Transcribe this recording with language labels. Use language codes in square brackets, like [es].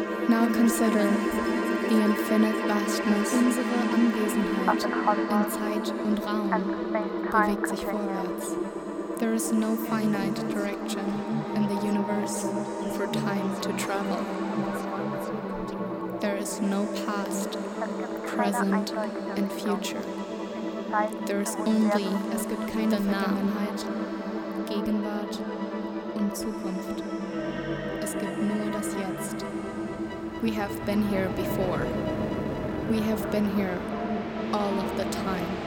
[en] Now consider the infinite vastness of our [de] Anwesenheit in Zeit und Raum. Bewegt sich vorwärts. [en] There is no finite direction in the universe for time to travel. There is no past, present and future. There is only, [de] es gibt keine Vergangenheit, Gegenwart und Zukunft. Es gibt nur das Jetzt. [en] We have been here before. We have been here all of the time.